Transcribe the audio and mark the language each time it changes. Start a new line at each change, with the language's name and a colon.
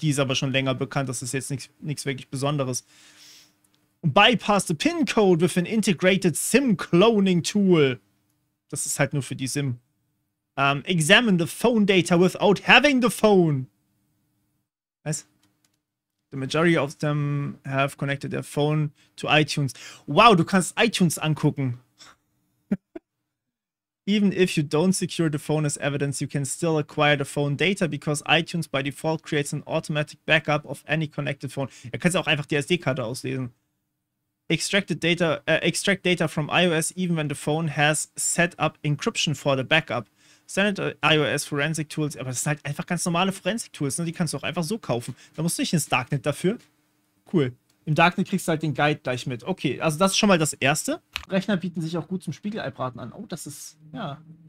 German: Die ist aber schon länger bekannt, das ist jetzt nichts wirklich Besonderes.
English: Bypass the PIN code with an integrated SIM cloning tool.
German: Das ist halt nur für die SIM.
English: Examine the phone data without having the phone.
German: Was?
English: The majority of them have connected their phone to iTunes.
German: Wow, du kannst iTunes angucken.
English: Even if you don't secure the phone as evidence, you can still acquire the phone data because iTunes by default creates an automatic backup of any connected phone.
German: Du kannst auch einfach die SD-Karte auslesen.
English: Extract data from iOS even when the phone has set up encryption for the backup.
German: Standard iOS Forensic Tools, aber das sind halt einfach ganz normale Forensic Tools, ne? Die kannst du auch einfach so kaufen. Da musst du nicht ins Darknet dafür. Cool. Im Darknet kriegst du halt den Guide gleich mit. Okay, also das ist schon mal das Erste. Rechner bieten sich auch gut zum Spiegeleibraten an. Oh, das ist, ja.